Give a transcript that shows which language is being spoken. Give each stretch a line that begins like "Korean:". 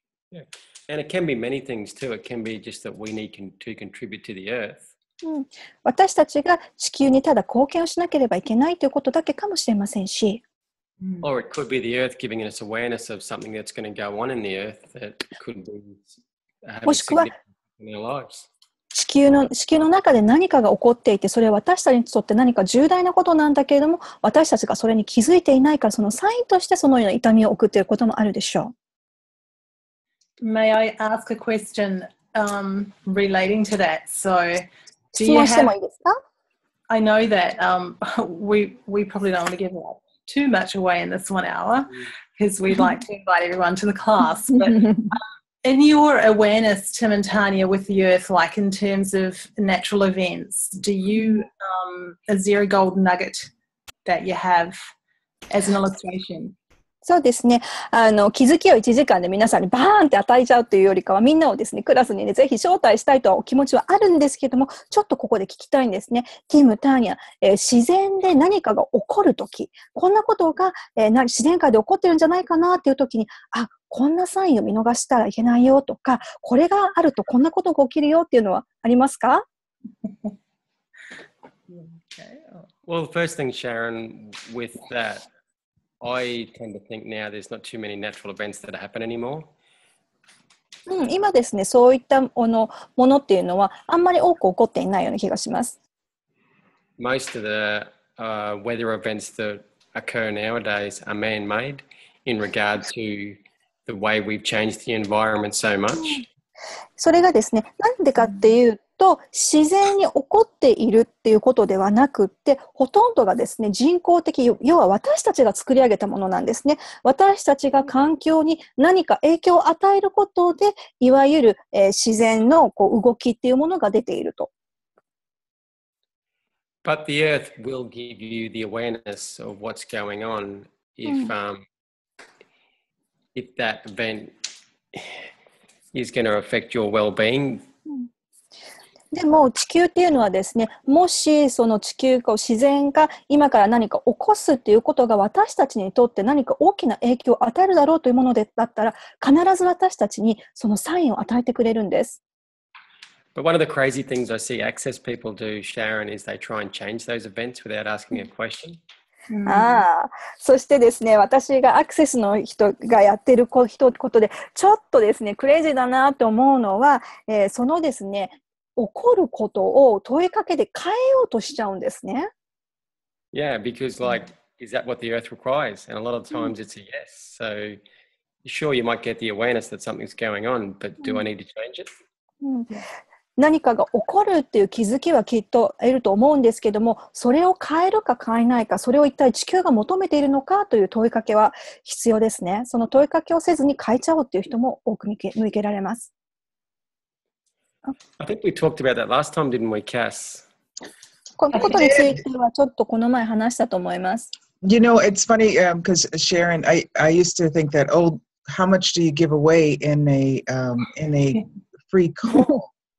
English: Yeah. And it can be many things too. It can be just that we need to contribute to the earth.
Japanese: 私たちが地球にただ貢献をしなければいけないということだけかもしれませんし。
English: Or it could be the earth giving us awareness of something that's going to go on in the earth that could be having significance in our lives.
Japanese: 地球の中で何かが起こっていて、それは私たちにとって何か重大なことなんだけれども、私たちがそれに気づいていないから、そのサインとしてそのような痛みを送っていることもあるでしょう。
English: May I ask a question, relating to that? So, do you
Japanese: 質問してもいいですか?
English: I know that, we probably don't want to give too much away in this 1 hour, because we'd like to invite everyone to the class, but... In your awareness, Tim and Tanya, with the earth, like in terms of natural events, do you, is there a gold nugget that you have as an illustration?
Japanese: そうですね。気づきを1時間で皆さんにバーンって与えちゃうというよりかは、みんなをですね、クラスにね、ぜひ招待したいとお気持ちはあるんですけども、ちょっとここで聞きたいんですね。ティム、ターニャ、自然で何かが起こるとき、こんなことが、自然界で起こってるんじゃないかなっていうときに、あ、こんなサインを見逃したらいけないよとか、これがあるとこんなことが起きるよっていうのはありますか？
English: Well, the first thing, Sharon, with that, I tend to think now there's not too many natural events that happen anymore.
Japanese: うん、今ですね、そういったものっていうのはあんまり多く起こっていないような気がします。
English: Most of the weather events that occur nowadays are man-made in regard to the way we've changed the environment so much.
Japanese: それがですね、なんでかっていうと自然に起こっているっていうことではなくって、ほとんどがですね、人工的、要は私たちが作り上げたものなんですね。私たちが環境に何か影響を与えることで、いわゆる、自然のこう動きっていうものが出ていると。
English: But the earth will give you the awareness of what's going on if,、うん、if that event is going to affect your well-being.
Japanese: でも地球っていうのはですね、もしその地球が自然が今から何か起こすっていうことが私たちにとって何か大きな影響を与えるだろうというものだったら、必ず私たちにそのサインを与えてくれるんです。
English: But one of the crazy things I see access people do, Sharon, is they try and change those events without asking a question.
Japanese: そしてですね、私がアクセスの人がやってることで、ちょっとですね、クレイジーだなと思うのは、そのですね、起こることを問いかけて変えようとしちゃうんですね。
English: Yeah, because like, is that what the earth requires? And a lot of times it's a yes. So, sure, you might get the awareness that something's going on, but do I need to change it?
Japanese: 何かが起こるっていう気づきはきっと得ると思うんですけども、それを変えるか変えないか、それを一体地球が求めているのかという問いかけは必要ですね。その問いかけをせずに変えちゃおうっていう人も多く向けられます。
English: I think we talked about that last time, didn't we, Kass?
Japanese: このことについてはちょっとこの前話したと思います。
English: You know, it's funny, because Sharon, I used to think that, oh, how much do you give away in a free call?